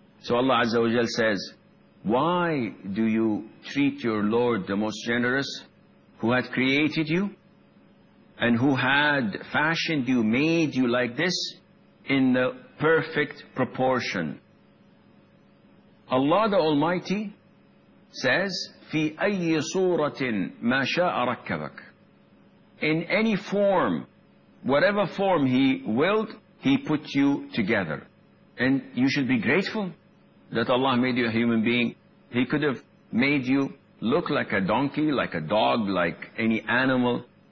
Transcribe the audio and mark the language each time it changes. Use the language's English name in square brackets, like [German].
[English] So Allah Azza wa Jal says, why do you treat your Lord, the most generous, who had created you and who had fashioned you, made you like this, in the perfect proportion? Allah the Almighty says, [Arabic] في أي صورة ما شاء ركبك. [English] In any form, whatever form He willed, He put you together. And you should be grateful that Allah made you a human being. He could have made you look like a donkey, like a dog, like any animal.